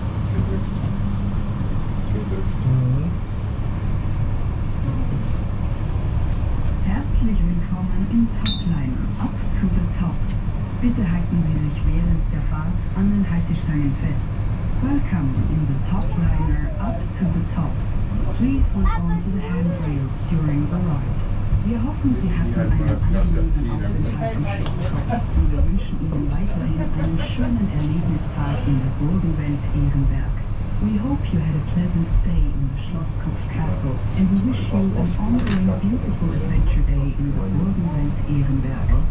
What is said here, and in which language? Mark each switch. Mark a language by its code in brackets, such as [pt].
[de] Gedrückt. Herzlich willkommen im Topline, [en] up to the top. [de] Bitte halten Sie sich während der Fahrt an den Haltesteinen fest. [en] Welcome in the Topliner up to the top. Please hold on to the handrail during the ride. [de] Wir hoffen, Sie hatten einen angenehmen Aufenthalt. Wir wünschen Ihnen weiterhin einen schönen Erlebnisfahrt in der Burgenwelt Ehrenberg. [en] We hope you had a pleasant stay in the Schlosskopf Castle and we wish you an ongoing beautiful adventure day in the Burgenwelt Ehrenberg.